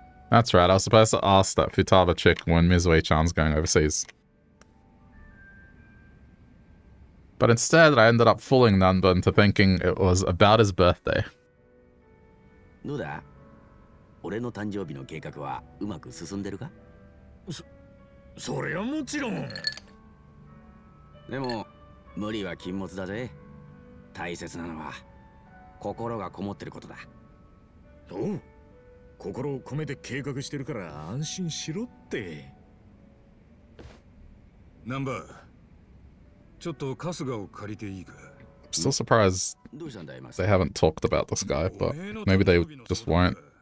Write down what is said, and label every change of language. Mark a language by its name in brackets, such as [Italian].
[English] That's right, I was supposed to ask that Futaba chick when Mizui-chan's going overseas. But instead, I ended up fooling Nanba into thinking it was about his birthday. Nuda? [Japanese] 俺の誕生日の計画はうまく進んでるか?それはもちろん。でも無理は禁物だぜ。大切なのは心がこもってることだ。そう。心を込めて計画してるから安心しろって。ナンバー。ちょっと春日を借りていいか? [English] I'm still surprised they haven't talked about this guy, but maybe they just won't.